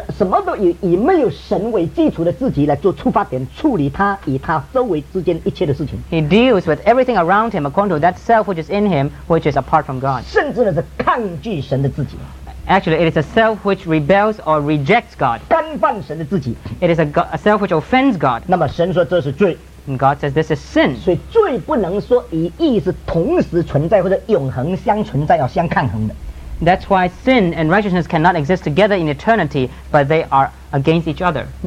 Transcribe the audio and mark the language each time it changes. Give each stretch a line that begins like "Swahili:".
Chinese: 什么都以没有神为基础的自己来做出发点，处理他与他周围之间一切的事情。
English: He deals with everything around him according to that self which is in him, which is apart from God.
Chinese: 甚至是抗拒神的自己。
English: Actually, it is a self which rebels or rejects God.
Chinese: 干犯神的自己。
English: It is a self which offends God.
Chinese: 那么神说这是罪。
English: And God says this is sin.
Chinese: 所以罪不能说以义是同时存在或者永恒相存在，要相抗衡的。
English: That's why sin and righteousness cannot exist together in eternity, but they are against each other.